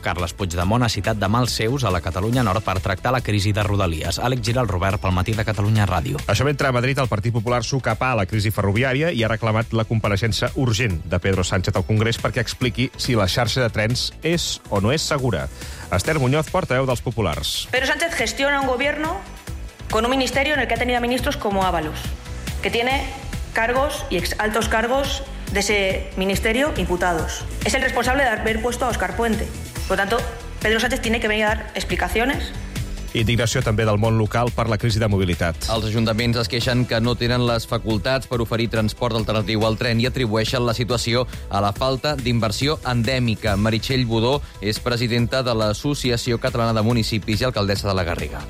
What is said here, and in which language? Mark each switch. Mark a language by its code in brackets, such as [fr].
[ca] Carles Puigdemont ha citat demà els seus a la Catalunya Nord per tractar la crisi de Rodalies. Àlex Giralt, Robert, pel matí de Catalunya Ràdio. Això mentre a Madrid el Partit Popular s'ho capa a la crisi ferroviària i ha reclamat la compareixença urgent de Pedro Sánchez al Congrés perquè expliqui si la xarxa de trens és o no és segura. Esther Muñoz, portaveu dels Populars. [es] Pedro Sánchez gestiona un gobierno con un ministerio en el que ha tenido ministros como Ábalos, que tiene cargos y altos cargos de ese ministerio imputados. Es el responsable de haber puesto a Óscar Puente. Por tanto, Pedro Sánchez tiene que venir a dar explicaciones. [ca] Indignació també del món local per la crisi de mobilitat. Els ajuntaments es queixen que no tenen les facultats per oferir transport alternatiu al tren i atribueixen la situació a la falta d'inversió endèmica. Meritxell Budó és presidenta de l'Associació Catalana de Municipis i alcaldessa de la Garriga.